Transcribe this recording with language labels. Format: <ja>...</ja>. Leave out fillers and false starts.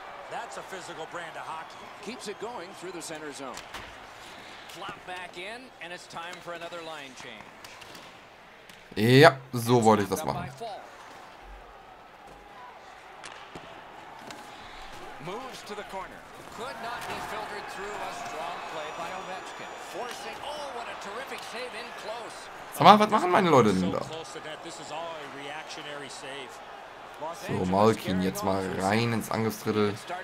<en>That's a physical brand of hockey. Keeps it going through the center zone. Flop back in and it's time for another line change.</en> <de>Ja, so wollte ich das machen.</de> <en>Moves to the corner. Could not be filtered through a strong play by Ovechkin. Forcing, oh, what a terrific save in close.</en> <de>Sag mal, was machen meine Leute denn da?</de> <en>This is all a reactionary save.</en> <de>So, Malkin jetzt mal rein ins Angriffsdrittel.</de>